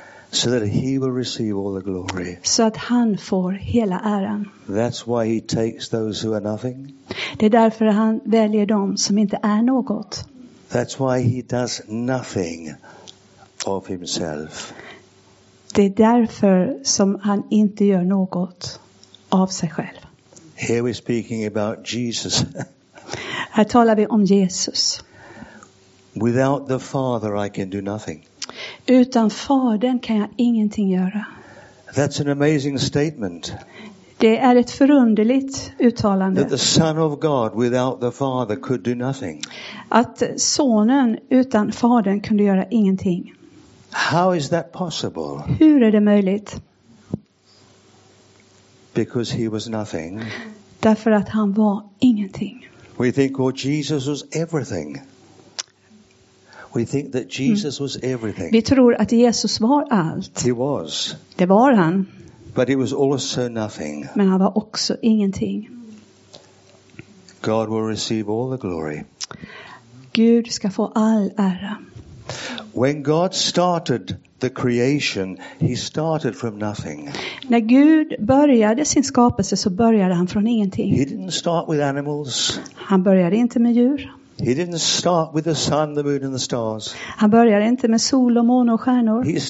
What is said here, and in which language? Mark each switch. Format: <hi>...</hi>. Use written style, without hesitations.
<en>So that he will receive all the glory.</en> <sv>Så att han får hela äran.</sv> <en>That's why he takes those who are nothing.</en> <sv>Det är därför han väljer dem som inte är något.</sv> <en>That's why he does nothing of himself.</en> <sv>Det är därför som han inte gör något av sig själv.</sv> <en>Here we're speaking about Jesus.</en> <sv>Här talar vi om Jesus.</sv> <en>Without the Father I can do nothing.</en> <sv>Utan Fadern kan jag ingenting göra.</sv> <en>That's an amazing statement.</en> <sv>Det är ett förunderligt uttalande.</sv> <en>That the Son of God without the Father could do nothing.</en> <sv>Att sonen utan Fadern kunde göra ingenting.</sv> <en>How is that possible?</en> <sv>Hur är det möjligt?</sv> <en>Because he was nothing.</en> <sv>Därför att han var ingenting.</sv> <en>We think, well, Jesus was everything. We think that Jesus was everything.</en> <sv>Vi tror att Jesus var allt.</sv> <en>He was.</en> <sv>Det var han.</sv> <en>But he was also nothing.</en> <sv>Men han var också ingenting.</sv> <en>God will receive all the glory.</en> <sv>Gud ska få all ära.</sv> <en>When God started the creation, he started from nothing.</en> <sv>När Gud började sin skapelse så började han från ingenting.</sv> <en>He didn't start with animals.</en> <sv>Han började inte med djur.</sv> <en>He didn't start with the sun, the moon and the stars.</en> <sv>Han började inte med sol och måne och stjärnor.</sv>